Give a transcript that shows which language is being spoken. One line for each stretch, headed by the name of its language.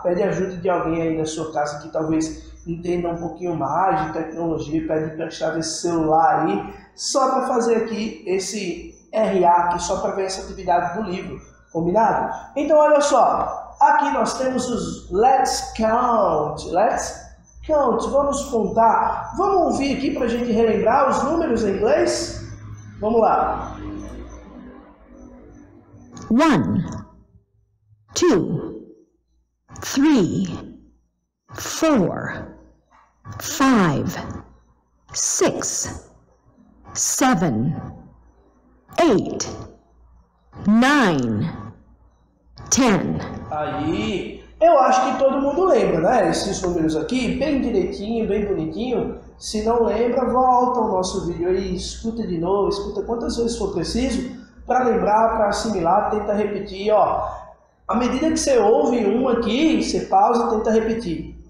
Portuguese: Pede ajuda de alguém aí na sua casa que talvez entenda um pouquinho mais de tecnologia, pede emprestado esse celular aí, só para fazer aqui esse RA aqui, só para ver essa atividade do livro, combinado? Então, olha só, aqui nós temos os
English: Let's Count, Count,
Portuguese: vamos contar. Vamos ouvir aqui para a gente relembrar os números em inglês? Vamos lá.
English: One, two, three, four, five, six, seven, eight, nine, ten.
Portuguese: Aí. Eu acho que todo mundo lembra, né? Esses números aqui, bem direitinho, bem bonitinho. Se não lembra, volta ao nosso vídeo aí, escuta de novo, escuta quantas vezes for preciso para lembrar, para assimilar, tenta repetir, ó. À medida que você ouve um aqui, você pausa, tenta repetir.